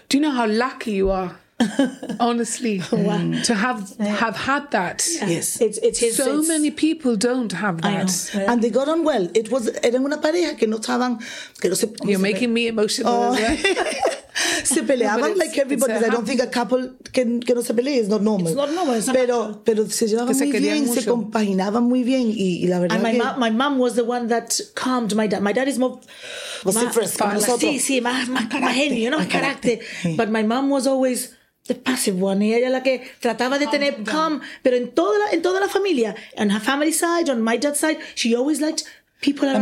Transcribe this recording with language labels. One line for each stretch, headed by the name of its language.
English: Do you know how lucky you are? Honestly, to have had that. Yes. It's many people don't have that. And they got on well. It was
Spanish: una pareja que no estaban.
English: You're making me emotional.
Spanish: Se peleaban
English: like everybody. I don't think a couple
Spanish: que no se pelee
English: is not normal. It's not normal. It's not
Spanish: pero se llevaban muy bien, se compaginaban muy bien. Y la verdad
English: and my mom was the one that calmed my dad. My dad is more...
Spanish: Más carácter.
English: But my mom was always... the passive one.
Spanish: Ella la que trataba de tener
English: calm,
Spanish: pero en toda la familia,
English: on her family side, on my dad's side, she always liked people around.